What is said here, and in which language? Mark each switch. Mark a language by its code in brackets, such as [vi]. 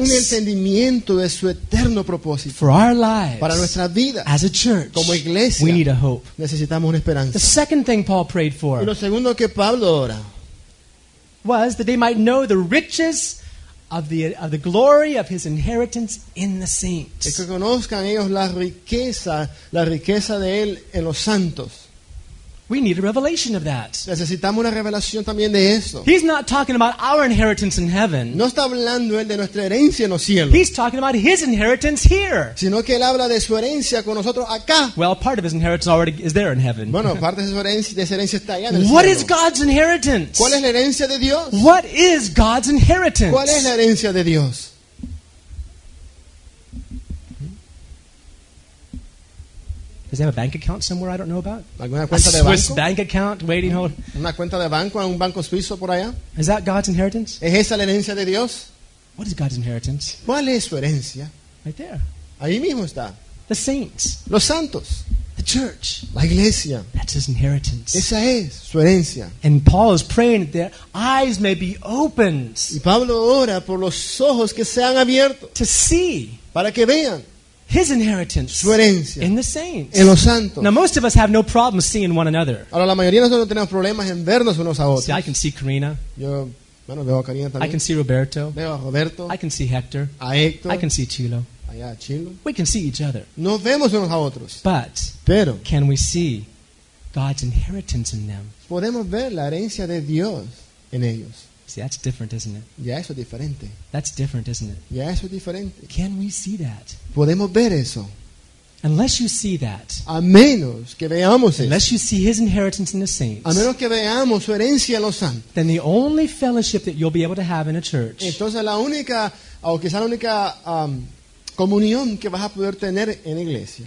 [es] Un entendimiento de su eterno propósito. [en] For our lives. [es] Para nuestra vida. [en] As a church. [es] Como iglesia. [en] We need a hope. [es] Necesitamos una esperanza. [en] The second thing Paul prayed for. [es] Y lo segundo que Pablo ora. [en] Was that they might know the riches of the glory of his inheritance in the saints. [es] Que conozcan ellos la riqueza de él en los santos. [en] We need a revelation of that. [es] Necesitamos una revelación también de eso. [en] He's not talking about our inheritance in heaven. [es] No está hablando él de nuestra herencia en los cielos. [en] He's talking about his inheritance here. [es] Sino que él habla de su herencia con nosotros acá. [en] Well, part of his inheritance already is there in heaven. [es] Bueno, parte de su herencia está allá en el cielo. [en] What is God's inheritance? [es] ¿Cuál es la herencia de Dios? [en] What is God's inheritance? [es] ¿Cuál es la herencia de Dios? [en] Does he have a bank account somewhere I don't know about? [es] ¿Alguna cuenta [en] a [es] de [en] Swiss [es] banco? [en] Bank account waiting hold. [es] ¿Una cuenta de banco, un banco suizo por allá? [en] Is that God's inheritance? [es] ¿Es esa la herencia de Dios? [en] What is God's inheritance? [es] ¿Cuál es su herencia? [en] Right there. [es] Ahí mismo está. [en] The saints. [es] Los santos. [en] The church. [es] La iglesia. [en] That's his inheritance. [es] Esa es su herencia. [en] And Paul is praying that their eyes may be opened. [es] Y Pablo ora por los ojos que sean abiertos. [en] To see. [es] Para que vean. [en] His inheritance, [es] su herencia, [en] in the saints, [es] en los santos. [en] Now most of us have no problem seeing one another. [es] Ahora la mayoría de nosotros no tenemos problemas en vernos unos a otros. [en] See, I can see Karina. [es] Yo, bueno, veo a Karina también. [en] I can see Roberto. [es] Veo a Roberto. [en] I can see Hector. [es] A Héctor. [en] I can see Chilo. [es] Allá Chilo. [en] We can see each other. [es] Nos vemos unos a otros. [en] But, [es] pero, [en] can we see God's inheritance in them? [es] Podemos ver la herencia de Dios en ellos. [en] See, that's different, isn't it? [es] Ya eso es diferente. [en] That's different, isn't it? [es] Ya eso es diferente. [en] Can we see that? [es] Podemos ver eso. [en] Unless you see that. [es] A menos que veamos eso. [en] Unless you see his inheritance in the saints. [es] A menos que veamos su herencia en los santos. [en] Then the only fellowship that you'll be able to have in a church. [es] Entonces la única, o quizá la única comunión que vas a poder tener en iglesia.